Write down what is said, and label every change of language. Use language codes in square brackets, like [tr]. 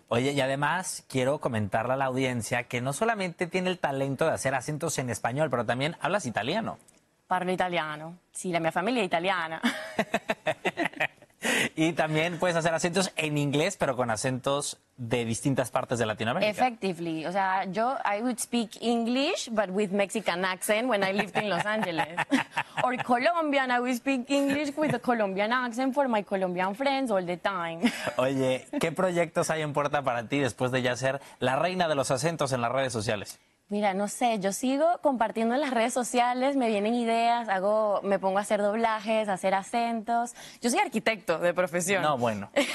[es] Oye, y además quiero comentarle a la audiencia que no solamente tiene el talento de hacer acentos en español, pero también hablas italiano. [it] Parlo italiano. [es] Sí, la mi familia es italiana. Y también puedes hacer acentos en inglés, pero con acentos de distintas partes de Latinoamérica. [en] Effectively. [es] O sea, yo, [en] I would speak English, but with Mexican accent when I lived in Los Angeles. Or Colombian, I would speak English with a Colombian accent for my Colombian friends all the time. [es] Oye, ¿qué proyectos hay en puerta para ti después de ya ser la reina de los acentos en las redes sociales? Mira, no sé, yo sigo compartiendo en las redes sociales, me vienen ideas, me pongo a hacer doblajes, a hacer acentos. Yo soy arquitecto de profesión. No, bueno.